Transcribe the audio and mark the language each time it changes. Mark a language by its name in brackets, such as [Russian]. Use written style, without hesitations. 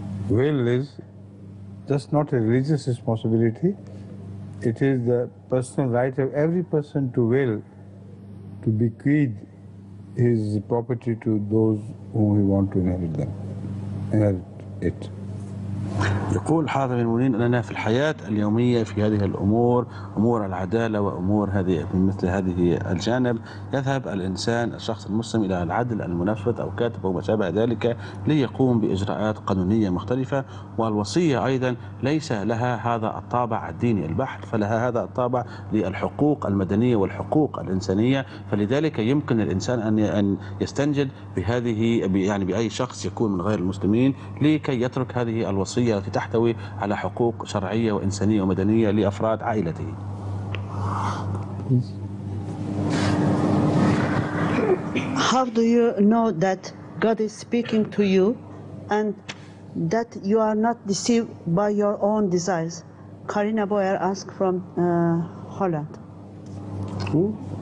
[English] Will is just not a religious responsibility, it is the personal right of every person to will, to bequeath his property to those whom he want to inherit them. Inherit it. [Arabic] يقول حاضر المؤمنين أننا في الحياة اليومية في هذه الأمور أمور العدالة وأمور هذه من مثل هذه الجانب يذهب الإنسان الشخص المسلم إلى العدل المنفذ أو كاتب أو ما شابه ذلك ليقوم بإجراءات قانونية مختلفة والوصية أيضا ليس لها هذا الطابع الديني البحت فلها هذا الطابع للحقوق المدنية والحقوق الإنسانية فلذلك يمكن الإنسان أن يستنجد بهذه يعني بأي شخص يكون من غير المسلمين لكي يترك هذه الوصية التي تحتوي على حقوق شرعية وإنسانية ومدنية لأفراد عائلته. [English] How do you know that God is speaking to you and that you are not deceived by your own desires? Karina Boyer asked from Holland. Who?